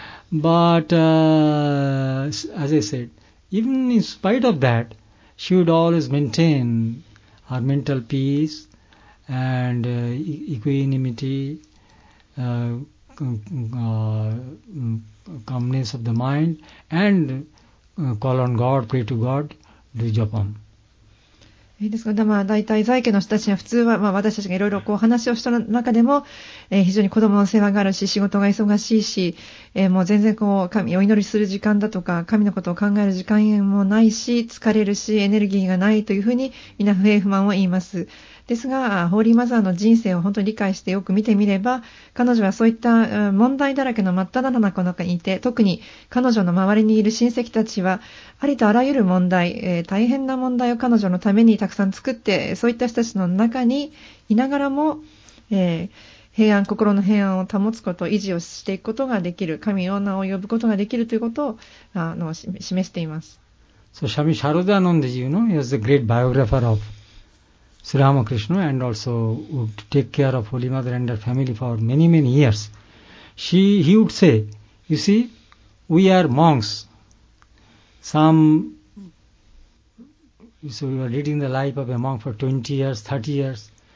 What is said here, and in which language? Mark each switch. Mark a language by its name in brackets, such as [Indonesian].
[English] But, as I said, even in spite of that, she would always maintain her mental peace and equanimity, calmness of the mind, and call on God, pray to God, do japam. [Japanese] ですから、まあ、大体在家の人たちは普通は、まあ、私たちがいろいろこう話をした中でも、非常に子供の世話があるし、仕事が忙しいし、もう全然こう、神をお祈りする時間だとか、神のことを考える時間もないし、疲れるし、エネルギーがないというふうに、みんな不平不満を言います。ですが、ホーリーマザーの人生を本当に理解してよく見てみれば、彼女はそういった問題だらけの真っ只中の中にいて、特に彼女の周りにいる親戚たちは、ありとあらゆる問題、大変な問題を彼女のためにたくさん作って、そういった人たちの中にいながらも、平安、心の平安を保つこと、維持をしていくことができる、神の名を呼ぶことができるということを示しています。 [English] So, Swami Sharadananda ji, you know, he was a great biographer of... Sri Ramakrishna and also would take care of Holy Mother and her family for many, many years. He would say, you see, we are monks. So we are leading the life of a monk for 20 years, 30 years.